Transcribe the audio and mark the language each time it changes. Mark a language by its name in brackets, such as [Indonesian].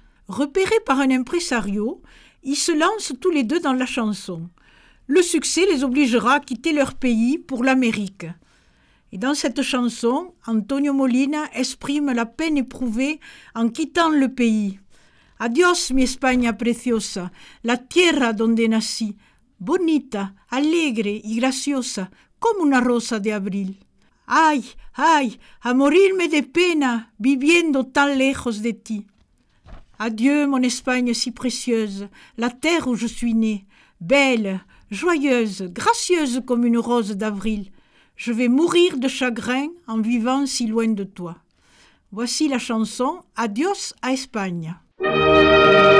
[French] Repérés par un impresario, ils se lancent tous les deux dans la chanson. Le succès les obligera à quitter leur pays pour l'Amérique. Et dans cette chanson, Antonio Molina exprime la peine éprouvée en quittant le pays. [Spanish] Adios, mi España preciosa, la tierra donde nací, bonita, alegre y graciosa, como una rosa de abril. Ay, ay, a morirme de pena, viviendo tan lejos de ti. [French] Adieu, mon Espagne si précieuse, la terre où je suis née, belle, joyeuse, gracieuse comme une rose d'avril. Je vais mourir de chagrin en vivant si loin de toi. Voici la chanson « Adios à Espagne ».